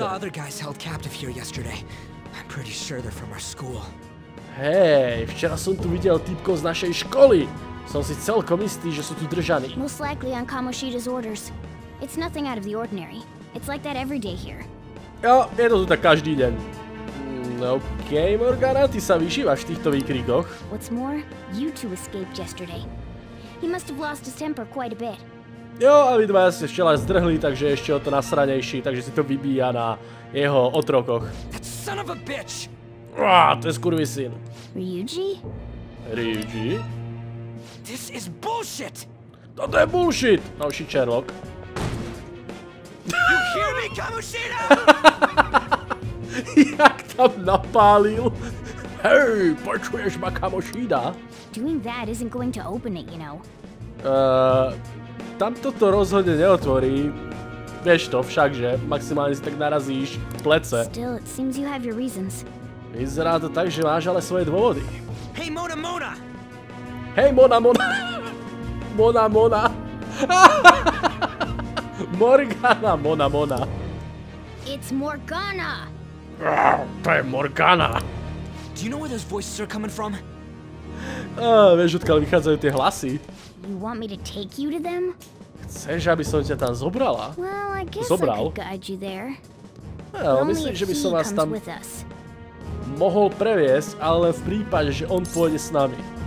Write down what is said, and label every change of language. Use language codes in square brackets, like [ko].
[en] We saw other guys held captive here yesterday. I'm pretty sure they're from our school. [sk] Hey, včera som tu videl týpkov z našej školy. Som si celkom istý, že sú tu držaní. [en] Most likely on Kamoshida's orders. It's nothing out of the ordinary. It's like that every day here. [sk] Jo, je to tu tak každý deň. Okay, Morgana, ty sa vyžívaš v týchto výkrikoch. [en] What's more, you two escaped yesterday. He must have lost his temper quite a bit. [sk] Jo, a vy dva ste včera zdrhli, takže ešte o to nasranejší, takže si to vybíja na jeho otrokoch. [en] That son of a bitch! [sk] To je skurvý syn. [en] Ryuji? Ryuji? This is bullshit! [sk] Toto je bullshit! Novší Sherlock. [en] You hear me, Kamoshida? [sk] Jak tam napálil? Hej, počuješ ma, Kamoshida? [en] Doing that isn't going to open it, you know. [sk] Tam toto rozhodne neotvorí. Vieš to však, že maximálne si tak narazíš plece. [en] Still, it seems you have your reasons. [sk] Vyzerá to tak, že máš ale svoje dôvody. [en] Hey Mona Mona! Hey Mona Mona! Mona Mona! Morgana Mona Mona! It's Morgana! [sk] To je Morgana! [en] Do you know where those voices are coming from? [sk] Vieš, odkiaľ vychádzajú tie hlasy. [en] You want me to take you to them? [sk] Chceš, aby som ťa tam zobrala? [en] Well, I guess zobral. I could guide you there. [sk] No, myslím, že by som vás tam mohol previesť, ale v prípade, že on pôjde s nami.